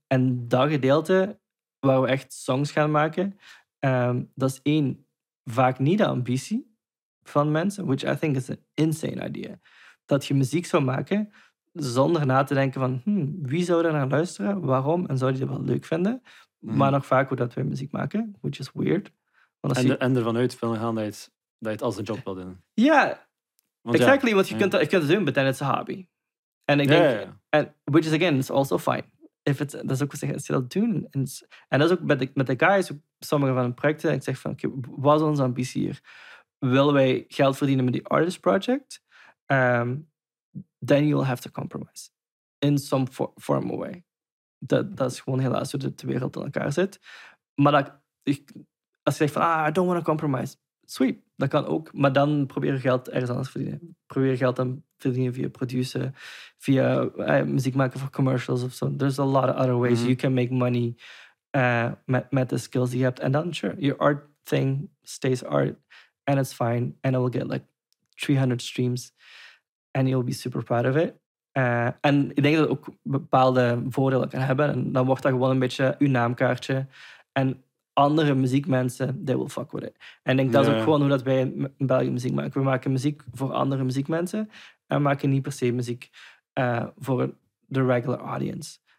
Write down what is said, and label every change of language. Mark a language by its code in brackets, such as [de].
[nl] En dat gedeelte waar we echt songs gaan maken, dat is één, vaak niet de ambitie van mensen, [en] which I think is an insane idea. [nl] Dat je muziek zou maken zonder na te denken van wie zou er naar luisteren, waarom en zou je dat wel leuk vinden. Maar nog vaak hoe dat wij muziek maken, [en] which is weird. [nl] Want en ervan uit willen gaan dat je het als een job wil doen. Want je kunt het doen, [en] but then it's a hobby. [nl] En ik denk, [en] which is again, it's also fine. If it's, [nl] dat is ook wat ze dat doen. En dat is ook met de guys, sommige van de projecten, ik zeg van, oké, wat is onze ambitie hier? Willen wij geld verdienen met die artist project? [en] Then you'll have to compromise in some form of way. [nl] Dat is gewoon helaas hoe de wereld in elkaar zit. Maar als je zegt van, [en] I don't want to compromise, sweet, [nl] dat kan ook. Maar dan probeer je geld ergens anders te verdienen. Probeer je geld dan te verdienen via produceren, via muziek maken voor commercials of zo. [en] There's a lot of other ways you can make money [nl] met de skills die je hebt. [en] And then, sure, your art thing stays art and it's fine and it will get like 300 streams and you'll be super proud of it. [nl] En ik denk dat het ook bepaalde voordelen kan hebben. En dan wordt dat gewoon een beetje uw naamkaartje. En andere muziekmensen, [en] they will fuck with it. [nl] En ik denk dat is ook gewoon hoe dat wij in België muziek maken. We maken muziek voor andere muziekmensen en we maken niet per se muziek voor de [en] regular audience.